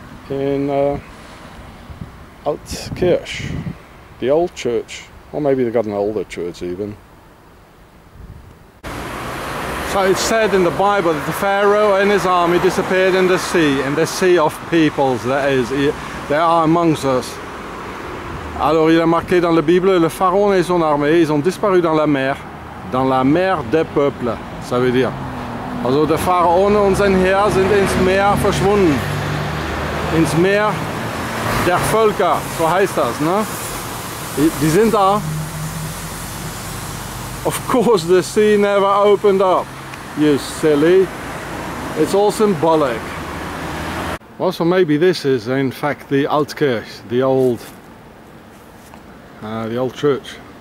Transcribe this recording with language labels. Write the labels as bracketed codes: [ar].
[en] In Altkirch, the old church, or maybe they've got an older church even. So it's said in the Bible that the Pharaoh and his army disappeared in the sea of peoples, that is, they are amongst us. [fr] Alors il est marqué dans la Bible, le pharaon et son armée, ils ont disparu dans la mer des peuples, ça veut dire. [de] Also der Pharaon und sein Heer sind ins Meer verschwunden. Ins Meer der Völker, so heißt das, ne? Die sind da. [en] Of course the sea never opened up, you silly. It's all symbolic. Well, so maybe this is in fact the Altkirch, the old church.